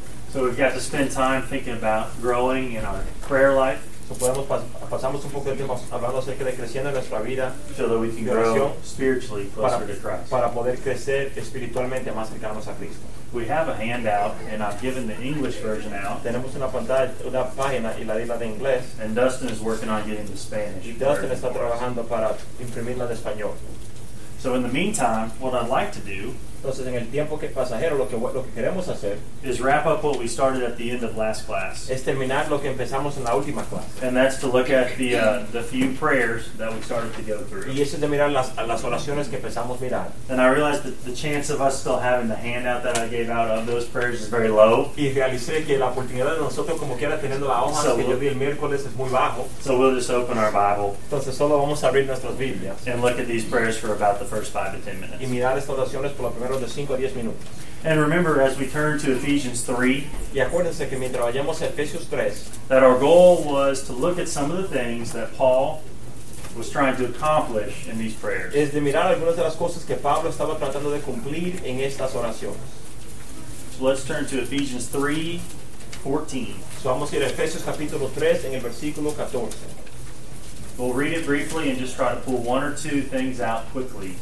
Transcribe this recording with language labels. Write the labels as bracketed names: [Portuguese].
[English] So we've got to spend time thinking about growing in our prayer life. [Spanish] Pasamos un poco de tiempo hablando acerca de creciendo nuestra vida, [English] so that we can grow spiritually closer to Christ. [Spanish] Para poder crecer espiritualmente más cercanos a Cristo. [English] We have a handout, and I've given the English version out. [Spanish] Tenemos una pantalla, una página y la di la de inglés. [English] And Dustin is working on getting the Spanish. [Spanish] Y Dustin está trabajando para imprimirla de español. [English] So in the meantime, what I'd like to do. [Spanish] Entonces, en el tiempo que pasajero, lo que queremos hacer [English] is wrap up what we started at the end of last class. [Spanish] Es terminar lo que empezamos en la última clase. [English] And that's to look at the few prayers that we started to go through. [Spanish] Y es de mirar las oraciones que empezamos a mirar. [English] And I realized that the chance of us still having the handout that I gave out of those prayers is very low. [Spanish] Y realicé que la oportunidad de nosotros como quiera teniendo la hoja que yo vi el miércoles es muy bajo. [English] So we'll just open our Bible. [Spanish] Entonces, solo vamos a abrir nuestras Biblias. [English] And look at these prayers for about the first 5 to 10 minutes. [Spanish] Y mirar estas oraciones por la primera. De 5 a 10 minutos. [English] And remember, as we turn to Ephesians 3, [Spanish] y acuérdense que mientras vayamos a Efesios 3, [English] that our goal was to look at some of the things that Paul was trying to accomplish in these prayers. [Spanish] Es de mirar algunas de las cosas que Pablo estaba tratando de cumplir en estas oraciones. [English] So let's turn to Ephesians 3:14. [Spanish] So vamos a ir a Efesios capítulo 3 en el versículo 14. [English] We'll read it briefly and just try to pull one or two things out quickly.